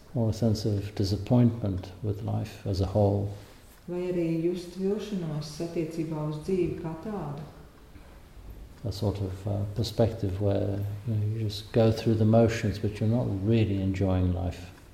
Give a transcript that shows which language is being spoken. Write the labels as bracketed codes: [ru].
[en] Or a sense of disappointment with life as a whole. [lv] Vai arī just vilšanos attiecībā uz dzīvi kā tādu. [en] A sort of perspective where you know, you just go through the motions, but you're not really enjoying life.